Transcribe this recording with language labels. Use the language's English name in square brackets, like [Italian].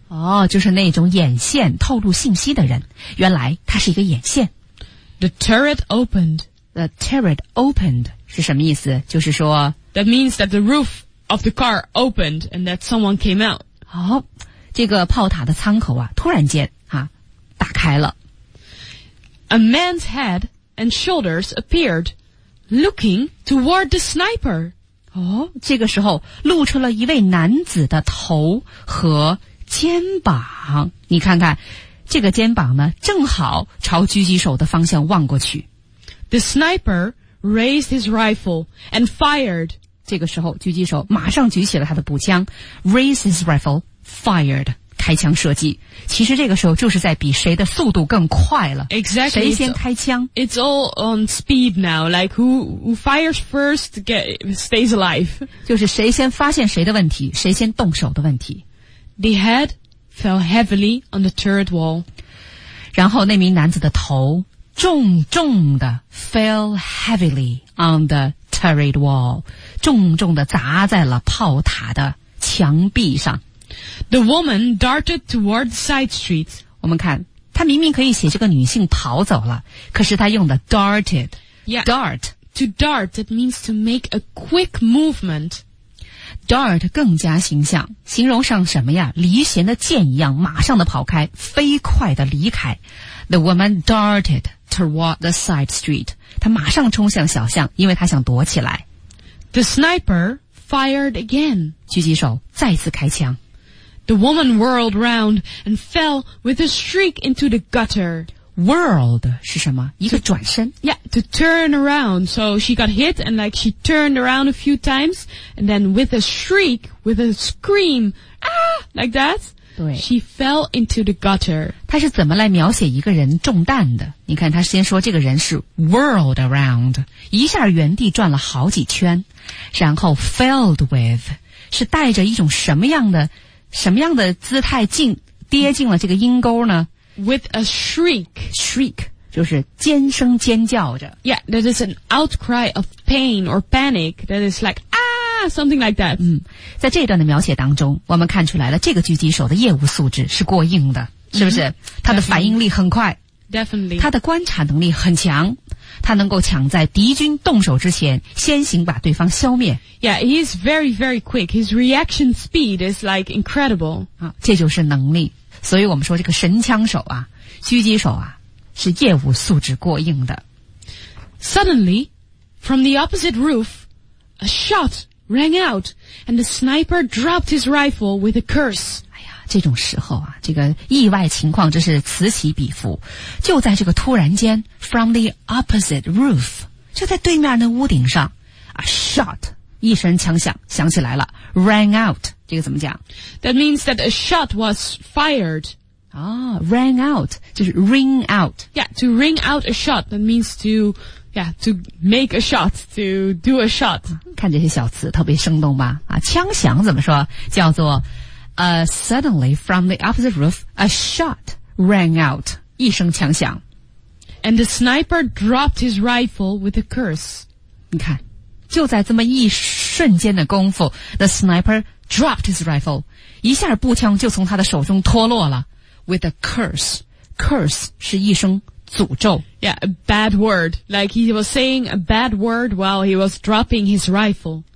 [Chinese] 哦就是那种眼线透露信息的人原来他是一个眼线 [English] The turret opened [Chinese] 是什么意思就是说 [English] That means that the roofof the car opened and that someone came out. [Chinese] 好、oh, 这个炮塔的舱口啊突然间啊打开了。 [English] A man's head and shoulders appeared, looking toward the sniper. [Chinese] 哦、oh, 这个时候露出了一位男子的头和肩膀。你看看这个肩膀呢正好朝狙击手的方向望过去。 [English] The sniper raised his rifle and fired. [Chinese] 这个时候狙击手马上举起了他的步枪 [English] raise his rifle, fired, [Chinese] 开枪射击。其实这个时候就是在比谁的速度更快了。 [English] Exactly. [Chinese] 谁先开枪 [English] it's all on speed now, like who fires first stays alive. [Chinese] 就是谁先发现谁的问题谁先动手的问题。 [English] The head fell heavily on the turret wall. [Chinese] 然后那名男子的头重重的 [English] fell heavily on the turret wall. [Chinese] 重重地砸在了炮塔的墙壁上。 [English] The woman darted toward the side street. [Chinese] 我们看，她明明可以写这个女性跑走了，可是她用的 darted. [English] Yeah, dart. To dart, that means to make a quick movement. [Chinese] Dart 更加形象，形容上什么呀？离弦的箭一样，马上地跑开，飞快地离开。 [English] The woman darted toward the side street. [Chinese] 她马上冲向小巷，因为她想躲起来。 [English] The sniper fired again. [Chinese] 狙击手再次开枪。 [English] The woman whirled round and fell with a shriek into the gutter. [Chinese] world 是什么？一个转身。 [English] Yeah, to turn around. So she got hit and like she turned around a few times and then with a shriek, with a scream, ah, like that. [Chinese] 对。 [English] She fell into the gutter. [Chinese] 她是怎么来描写一个人中弹的？你看她先说这个人是 [English] whirled around, [Chinese] 一下原地转了好几圈，然后 [English] filled with, [Chinese] 是带着一种什么样的姿态进跌进了这个阴沟呢？ [English] With a shriek. [Chinese] Shriek, 就是尖声尖叫着。 [English] Yeah, that is an outcry of pain or panic. That is like, ah, something like that. [Chinese] 嗯，在这段的描写当中，我们看出来了这个狙击手的业务素质是过硬的，是不是？他的反应力很快。 [English] Definitely. [Chinese] 他的观察能力很强，他能够抢在敌军动手之前，先行把对方消灭。 [English] Yeah, he is very, very quick. His reaction speed is like incredible. [Chinese] 啊，这就是能力。所以我们说这个神枪手啊，狙击手啊，是业务素质过硬的。 [English] Suddenly, from the opposite roof, a shot rang out, and the sniper dropped his rifle with a curse. [Chinese] 哎呀，这种时候啊，这个意外情况真是此起彼伏。就在这个突然间 ， [English] from the opposite roof, [Chinese] 就在对面的屋顶上 ， [English] a shot, [Chinese] 一声枪响，响起来了 ， [English] rang out。 [Chinese] 这个怎么讲 [English] ？That means that a shot was fired. Ah, rang out, [Chinese] 就是 [English] ring out. Yeah, to ring out a shot. That means to, yeah, to make a shot, to do a shot. [Chinese] 看这些小词特别生动吧？啊，枪响怎么说？叫做 [English] suddenly from the opposite roof, a shot rang out. [Chinese] 一声枪响。 [English] And the sniper dropped his rifle with a curse. [Chinese] 你看，就在这么一瞬间的功夫 ， [English] the sniper dropped his rifle, [Chinese] 一下步枪就从他的手中脱落了 [English] with a curse. [Chinese] Curse 是一声诅咒。 [English] Yeah, a bad word. Like he was saying a bad word while he was dropping his rifle.